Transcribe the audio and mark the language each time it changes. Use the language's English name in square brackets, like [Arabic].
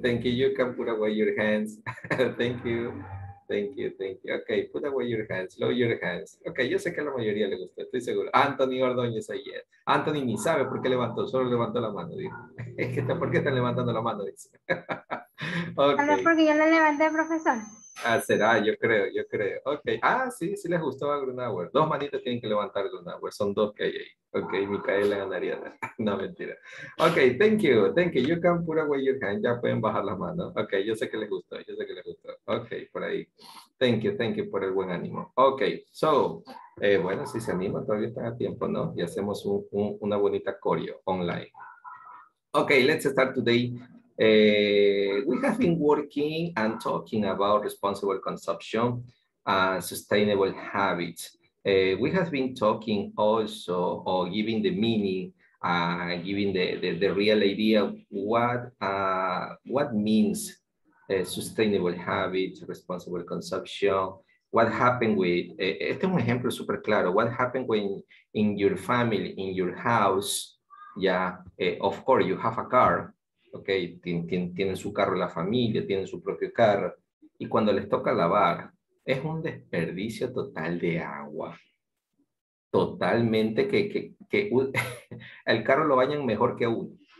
[English] Thank you. You can put away your hands. Thank you. Okay, put away your hands. Lower your hands. [Spanish] Okay, yo sé que a la mayoría le gustó. Estoy seguro. Anthony Ordóñez ayer. Anthony ni sabe por qué levantó. Solo levantó la mano. ¿Por qué están levantando la mano? Dice. Okay. Porque yo la levanté, profesor. Ah, será. Yo creo. Okay. Ah, sí les gustó a Grunauer. Dos manitos tienen que levantar Grunauer. Son dos que hay ahí. Okay, Micaela ganaría. No, mentira. Okay, [English] thank you. You can put away your hand. [Spanish] Ya pueden bajar las manos. Okay, yo sé que les gustó. Okay, por ahí. [English] Thank you [Spanish] por el buen ánimo. Okay, so, bueno, si se anima, todavía están a tiempo, ¿no? Y hacemos una bonita coreo online. Okay, [English] let's start today. We have been working and talking about responsible consumption and sustainable habits. We have been talking also or giving the meaning, giving the real idea of what means sustainable habits, responsible consumption, what happened with, [Spanish] este es un ejemplo súper claro, [English] what happened when in your family, in your house, Yeah, of course, you have a car. [Spanish] Okay, tienen su carro en la familia, tienen su propio carro. Y cuando les toca lavar, es un desperdicio total de agua. Totalmente que el carro lo bañan mejor que uno.